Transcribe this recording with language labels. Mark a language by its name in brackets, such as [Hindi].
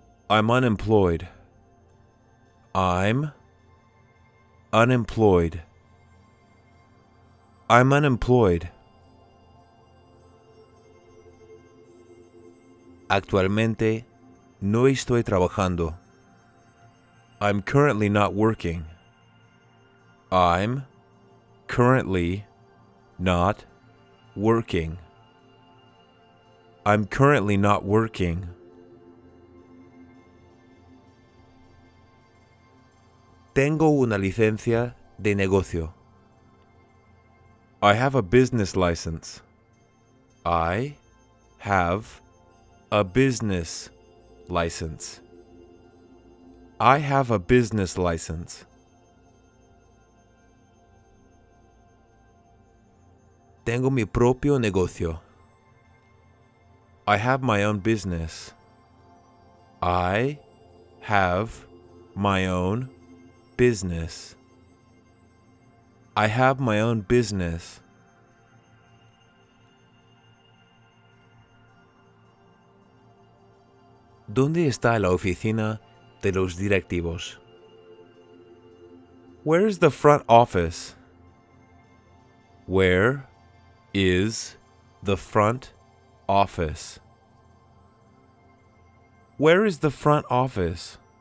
[English] I'm unemployed. I'm unemployed. I'm unemployed. [Spanish] Actualmente no estoy trabajando. [English] I'm currently not working. I'm currently not working. I'm currently not working. [Spanish] Tengo una licencia de negocio. [English] I have a business license. I have a business license. I have a business license. [Spanish] Tengo mi propio negocio. [English] I have my own business. I have my own business. I have my own business. [Spanish] ¿Dónde está la oficina de los directivos? [English] Where is the front office? Where is the front office? Where is the front office?